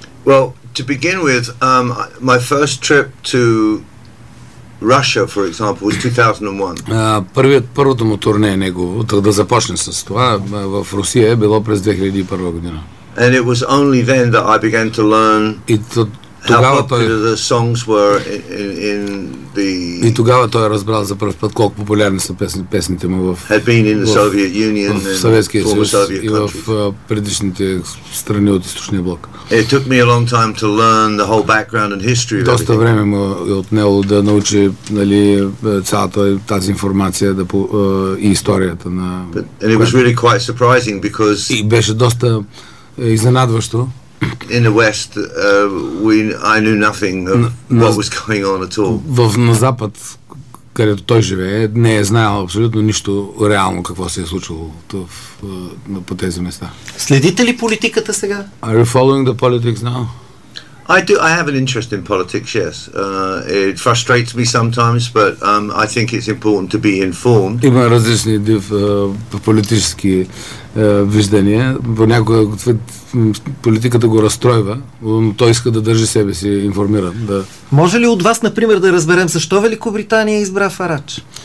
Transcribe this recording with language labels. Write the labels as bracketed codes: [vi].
[en] Well, to begin with, my first trip to Russia, for example, was 2001. [bg] Първото му турне е негово, да започне с това, в Русия е било през 2001 година. [en] And it was only then that I began to learn how popular the songs were in the... [bg] И тогава той е разбрал за първ път колко популярни са песните му в... [en] Had been in the Soviet Union and former Soviet countries. [bg] И в предишните страни от Източния блок. [en] It took me a long time to learn the whole background and history of [bg] Доста време му е отнело да научи, нали, цялата тази информация да и историята на... [en] And it was really quite surprising because... [bg] И беше доста изненадващо. [en] In the West, I knew nothing of what was going on at all. [bg] На Запад, където той живее, не е знаел абсолютно нищо реално какво се е случило по тези места. Следите ли политиката сега? [en] Are you following the politics now? I do. I have an interest in politics, yes. It frustrates me sometimes, but I think it's important to be informed. [bg] Има различни политически виждания. Понякога политиката го разстройва, но той иска да държи себе си информиран. Да. Може ли от вас, например, да разберем защо Великобритания избра Фарадж?